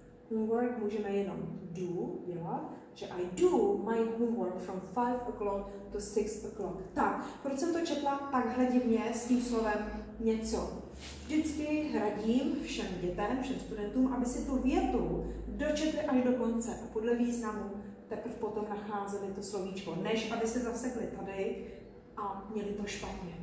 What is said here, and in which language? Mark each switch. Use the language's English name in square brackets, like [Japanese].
[Czech] Homework můžeme jenom do, dělat. Že [English] I do my homework from 5:00 to 6:00. [Czech] Tak, proč jsem to četla takhle divně s tím slovem něco? Vždycky radím všem dětem, všem studentům, aby si tu větu dočetli až do konce a podle významu teprve potom nacházeli to slovíčko, než aby se zasekli tady a měli to špatně.